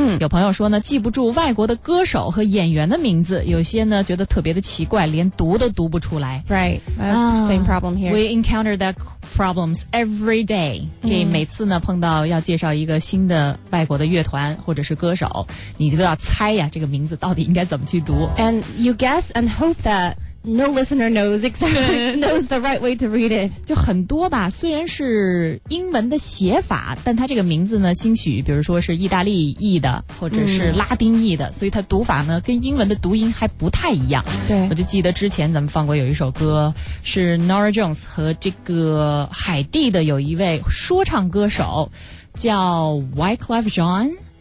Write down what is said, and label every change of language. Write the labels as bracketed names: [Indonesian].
[Chinese] 有朋友说呢，记不住外国的歌手和演员的名字，有些呢觉得特别的奇怪，连读都读不出来。 [English] Right, same problem here. We encounter that problems every day. [Chinese] 这每次呢碰到要介绍一个新的外国的乐团或者是歌手，你都要猜呀，这个名字到底应该怎么去读。 [English] And you guess and hope that no listener knows exactly knows the right way to read it. [Chinese] 就很多吧，虽然是英文的写法，但它这个名字呢，兴许比如说是意大利裔的，或者是拉丁裔的，所以它读法呢跟英文的读音还不太一样。对，我就记得之前咱们放过有一首歌，是 Norah Jones 和这个海地的有一位说唱歌手叫 Wyclef Jean。